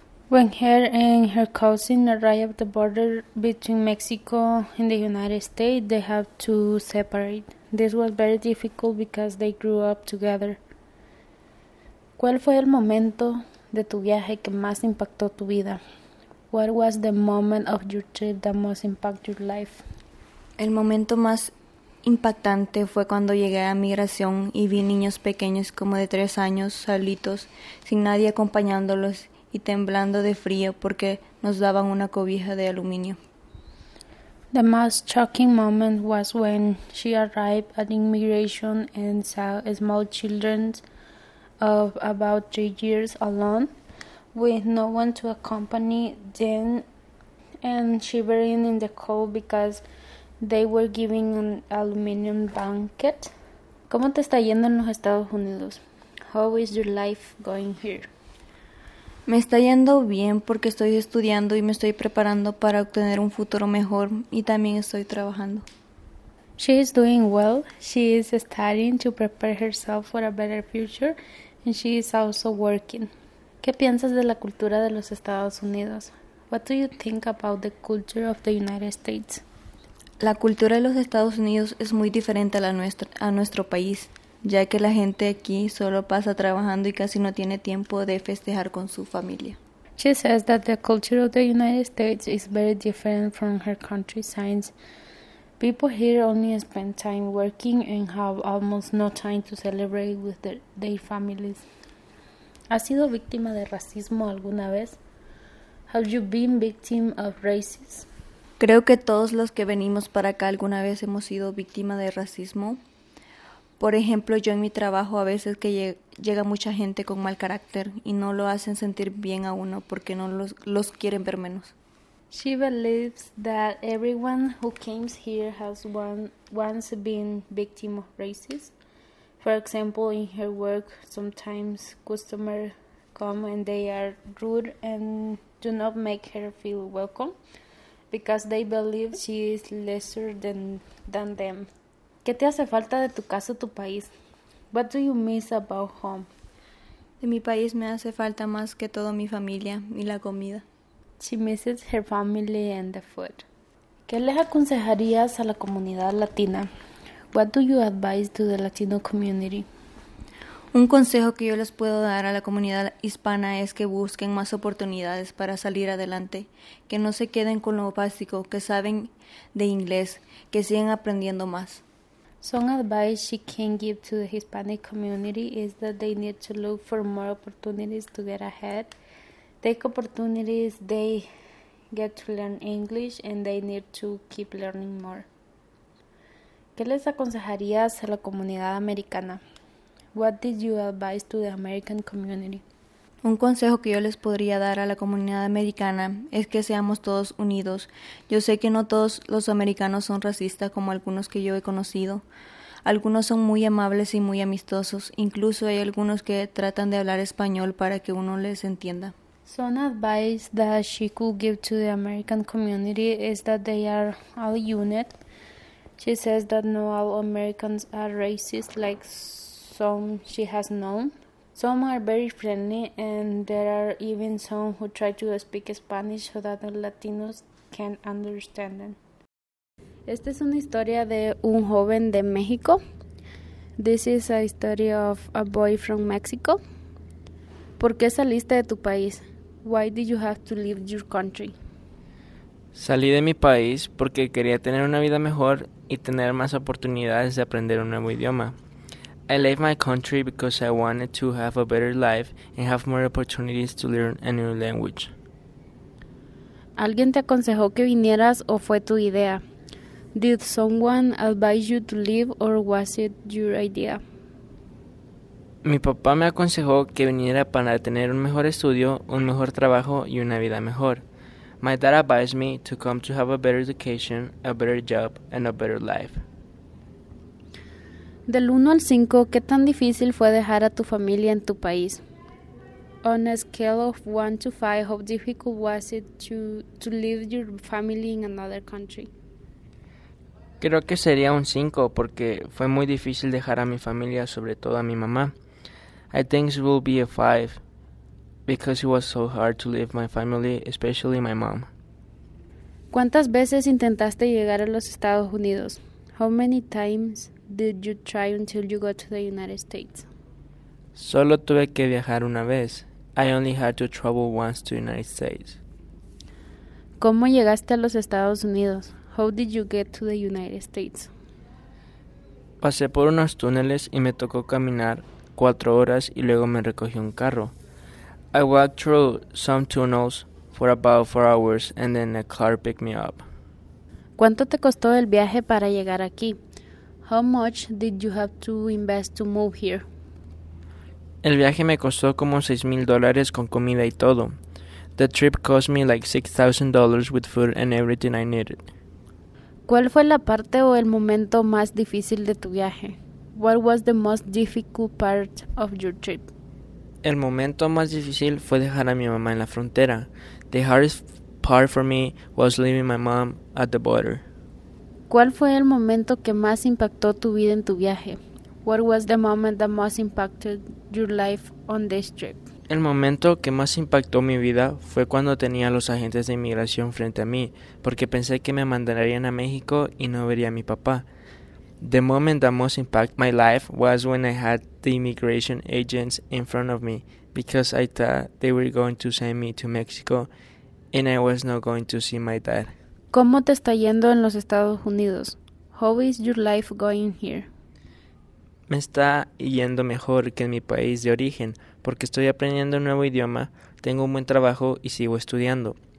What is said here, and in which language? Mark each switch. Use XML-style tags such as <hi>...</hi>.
<en>When her and her cousin arrived at the border between Mexico and the United States, they had to separate. This was very difficult because they grew up together.</en> <es>¿Cuál fue el momento de tu viaje que más impactó tu vida?</es> <en>What was the moment of your trip that most impacted your life?</en> <es>El momento más impactante fue cuando llegué a migración y vi niños pequeños como de 3 años, solitos, sin nadie acompañándolos y temblando de frío porque nos daban una cobija de aluminio.</es> <en>The most shocking moment was when she arrived at immigration and saw small children of about 3 years alone with no one to accompany them and shivering in the cold because they were given an aluminum blanket.</en> <es>¿Cómo te está yendo en los Estados Unidos?</es> <en>How is your life going here?</en> <es>Me está yendo bien porque estoy estudiando y me estoy preparando para obtener un futuro mejor y también estoy trabajando.</es> <en>She is doing well. She is studying to prepare herself for a better future and she is also working.</en> <es>¿Qué piensas de la cultura de los Estados Unidos?</es> <en>What do you think about the culture of the United States?</en> <es>La cultura de los Estados Unidos es muy diferente a nuestro país, ya que la gente aquí solo pasa trabajando y casi no tiene tiempo de festejar con su familia.</es> <en>She says that the culture of the United States is very different from her country, since people here only spend time working and have almost no time to celebrate with their families.</en> <es>¿Has sido víctima de racismo alguna vez?</es> <en>Have you been victim of racism?</en> <es>Creo que todos los que venimos para acá alguna vez hemos sido víctima de racismo. Por ejemplo, yo en mi trabajo a veces que llega mucha gente con mal carácter y no lo hacen sentir bien a uno porque no los quieren ver menos.</es> <en>She believes that everyone who comes here has once been victim of racism. For example, in her work, sometimes customers come and they are rude and do not make her feel welcome because they believe she is lesser than them.</en> <es>¿Qué te hace falta de tu casa, tu país?</es> <en>What do you miss about home?</en> <es>De mi país me hace falta más que todo mi familia y la comida.</es> <en>She misses her family and the food.</en> <es>¿Qué les aconsejarías a la comunidad latina?</es> <en>What do you advise to the Latino community?</en> <es>Un consejo que yo les puedo dar a la comunidad hispana es que busquen más oportunidades para salir adelante, que no se queden con lo básico, que saben de inglés, que sigan aprendiendo más.</es> <en>Some advice she can give to the Hispanic community is that they need to look for more opportunities to get ahead. Take opportunities they get to learn English and they need to keep learning more.</en> <es>¿Qué les aconsejarías a la comunidad americana?</es> <en>What did you advise to the American community?</en> <es>Un consejo que yo les podría dar a la comunidad americana es que seamos todos unidos. Yo sé que no todos los americanos son racistas como algunos que yo he conocido. Algunos son muy amables y muy amistosos. Incluso hay algunos que tratan de hablar español para que uno les entienda.</es> <en>Some advice that she could give to the American community is that they are all unit. She says that not all Americans are racist like some she has known. Some are very friendly, and there are even some who try to speak Spanish so that the Latinos can understand them.</en> <es>Esta es una historia de un joven de México.</es> <en>This is a story of a boy from Mexico.</en> <es>¿Por qué saliste de tu país?</es> <en>Why did you have to leave your country?</en> <es>Salí de mi país porque quería tener una vida mejor y tener más oportunidades de aprender un nuevo idioma.</es> <en>I left my country because I wanted to have a better life and have more opportunities to learn a new language.</en> <es>¿Alguien te aconsejó que vinieras o fue tu idea?</es> <en>Did someone advise you to leave or was it your idea?</en> <es>Mi papá me aconsejó que viniera para tener un mejor estudio, un mejor trabajo y una vida mejor.</es> <en>My dad advised me to come to have a better education, a better job, and a better life.</en> <es>Del 1 al 5, ¿qué tan difícil fue dejar a tu familia en tu país?</es> <en>On a scale of 1 to 5, how difficult was it to leave your family in another country?</en> <es>Creo que sería un 5 porque fue muy difícil dejar a mi familia, sobre todo a mi mamá.</es> <en>I think it will be a 5 because it was so hard to leave my family, especially my mom.</en> <es>¿Cuántas veces intentaste llegar a los Estados Unidos?</es> <en>How many times did you try until you got to the United States?</en> <es>Solo tuve que viajar una vez.</es> <en>I only had to travel once to the United States.</en> <es>¿Cómo llegaste a los Estados Unidos?</es> <en>How did you get to the United States?</en> <es>Pasé por unos túneles y me tocó caminar 4 horas y luego me recogió un carro.</es> <en>I walked through some tunnels for about 4 hours and then a car picked me up.</en> <es>¿Cuánto te costó el viaje para llegar aquí?</es> <en>How much did you have to invest to move here?</en> <es>El viaje me costó como $6,000 con comida y todo.</es> <en>The trip cost me like $6,000 with food and everything I needed.</en> <es>¿Cuál fue la parte o el momento más difícil de tu viaje?</es> <en>What was the most difficult part of your trip?</en> <es>El momento más difícil fue dejar a mi mamá en la frontera.</es> <en>The hardest part for me was leaving my mom at the border.</en> <es>¿Cuál fue el momento que más impactó tu vida en tu viaje?</es> <en>What was the moment that most impacted your life on this trip?</en> <es>El momento que más impactó mi vida fue cuando tenía a los agentes de inmigración frente a mí, porque pensé que me mandarían a México y no vería a mi papá.</es> <en>The moment that most impacted my life was when I had the immigration agents in front of me because I thought they were going to send me to Mexico and I was not going to see my dad.</en> <es>¿Cómo te está yendo en los Estados Unidos?</es> <en>How is your life going here?</en> <es>Me está yendo mejor que en mi país de origen porque estoy aprendiendo un nuevo idioma, tengo un buen trabajo y sigo estudiando.</es>